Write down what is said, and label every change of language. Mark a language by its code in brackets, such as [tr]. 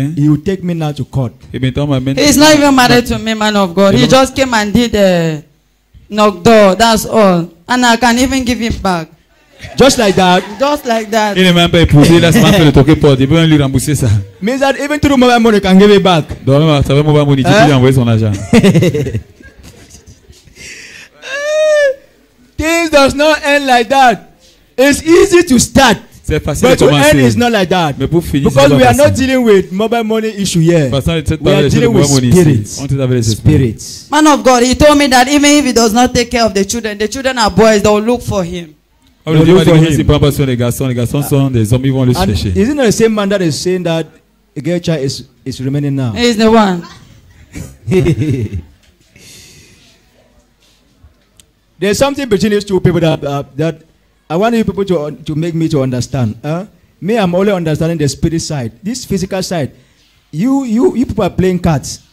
[en] he will take me now to court. He's not even married to me, man of God. He just came and did a knock door. That's all. And I can even give him back. Just like that. [fr] Il lui rembourser ça. [en] Means that even through mobile money can give it back. [fr] Donc, ça veut mobile money, tu peux lui envoyer son argent. [en] Things does not end like that. It's easy to start. [fr] C'est facile de commencer. [en] But to end is not like that. [fr] Mais pour finir, [en] because we are not dealing with mobile money issue here. [fr] Parce [en] we are dealing with spirits. Man of God, he told me that even if he does not take care of the children are boys, they'll look for him. [fr] Les garçons sont des hommes, ils vont le chercher. [en] Isn't it the same man that is saying that a girl child is remaining now? He's the one. There's something between these two people that I want you people to make me to understand. Me, I'm only understanding the spirit side, this physical side. You people are playing cards.